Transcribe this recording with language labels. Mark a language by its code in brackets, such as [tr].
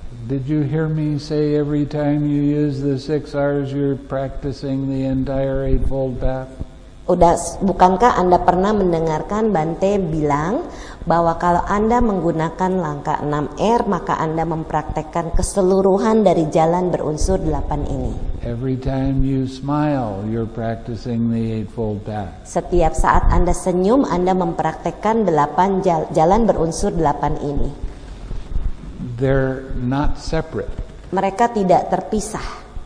[en] Did you hear me say every time you use the 6 hours you're practicing the entire Eightfold Path? [id] Bukankah Anda pernah mendengarkan Bante bilang bahwa kalau Anda menggunakan langkah 6R maka Anda mempraktekkan keseluruhan dari jalan berunsur 8 ini. [en] Every time you smile, you're practicing the eightfold path. [id] Setiap saat Anda senyum, Anda mempraktekkan 8 jalan berunsur 8 ini. [en] They're not separate. [id] Mereka tidak terpisah.